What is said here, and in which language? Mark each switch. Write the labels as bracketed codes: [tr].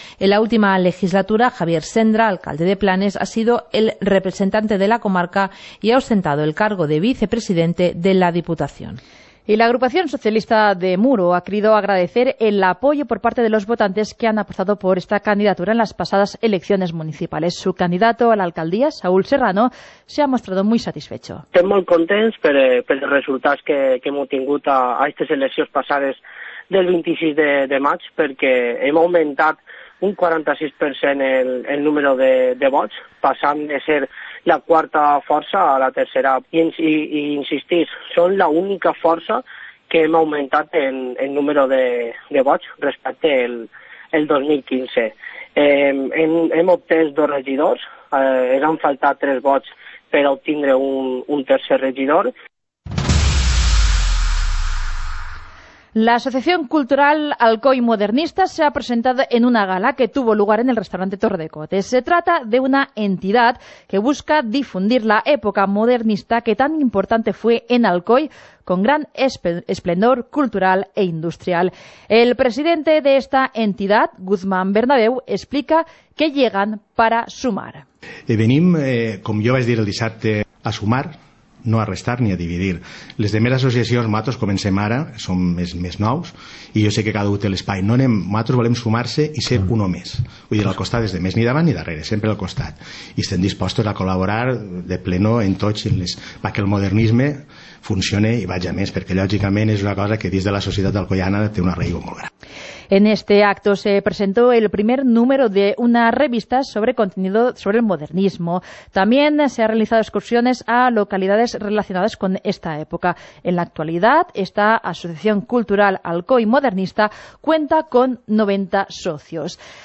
[es] En la última legislatura, Javier Sendra, alcalde de Planes, ha sido el representante de la comarca y ha ostentado el cargo de vicepresidente de la Diputación. Y la agrupación socialista de Muro ha querido agradecer el apoyo por parte de los votantes que han apostado por esta candidatura en las pasadas elecciones municipales. Su candidato a la alcaldía, Saúl Serrano, se ha mostrado muy satisfecho. [ca] Estem molt contents per els resultats que hem tingut a aquestes eleccions passades del 26 de maig, perquè hem augmentat un 46% el número de vots, passant de ser la quarta força a la tercera. I insistir, són l'única força que hem augmentat en el número de vots respecte el 2015. Hem obtès dos regidors, han faltat tres vots per obtindre un tercer regidor. [es] La Asociación Cultural Alcoy Modernista se ha presentado en una gala que tuvo lugar en el restaurante Torre de Cotes. Se trata de una entidad que busca difundir la época modernista que tan importante fue en Alcoy, con gran esplendor cultural e industrial. El presidente de esta entidad, Guzmán Bernabéu, explica que llegan para sumar. [ca] Venim, com jo vaig dir el dissabte, a sumar, no a restar ni a dividir. Les demés associacions, nosaltres comencem ara, som més nous, i jo sé que cada un té l'espai. No anem, nosaltres volem sumar-se i ser un o més. Vull dir, al costat, des de més ni davant ni darrere, sempre al costat. I estem dispostos a col·laborar de pleno en tots, perquè el modernisme funcione i vagi a més, perquè lògicament és una cosa que dins de la societat alcoiana té un arraigo molt gran. [es] En este acto se presentó el primer número de una revista sobre contenido sobre el modernismo. También se han realizado excursiones a localidades relacionadas con esta época. En la actualidad, esta Asociación Cultural Alcoy Modernista cuenta con 90 socios.